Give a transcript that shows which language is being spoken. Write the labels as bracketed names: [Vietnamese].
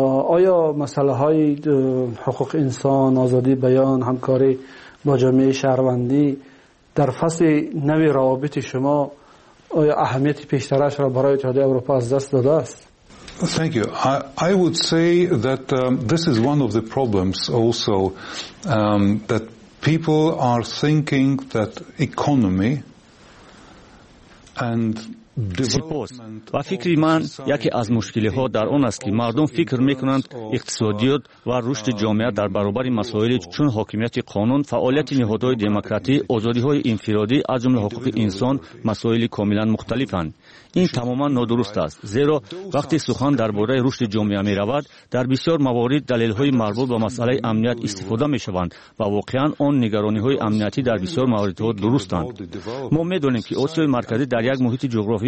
[Persian] آیا مسئله های حقوق انسان، آزادی بیان، همکاری با جامعه شهروندی در فصل نوی روابط شما آیا اهمیت پیشترش را برای اتحادیه اروپا از دست داده است؟ [English] Thank you. I would say that this is one of the problems also that people are thinking that economy and [Persian] سپاس. و فکر من یکی از مشکلی ها در آن است که مردم فکر میکنند اقتصادیات و رشد جامعه در برابر مسائل چون حاکمیت قانون، فعالیت نهادهای دموکراتیک، آزادی های انفرادی از جمله حقوق انسان مسائل کاملا مختلفند. این تماما نادرست است، زیرا وقتی سخن درباره رشد جامعه می رود در بسیار موارد دلیل های مربوط به مسئله امنیت استفاده می شوند و واقعا آن نگرانی های امنیتی در بسیار موارد ها درستند. ما میدانیم که آسیای مرکزی در یک محیط جغرافی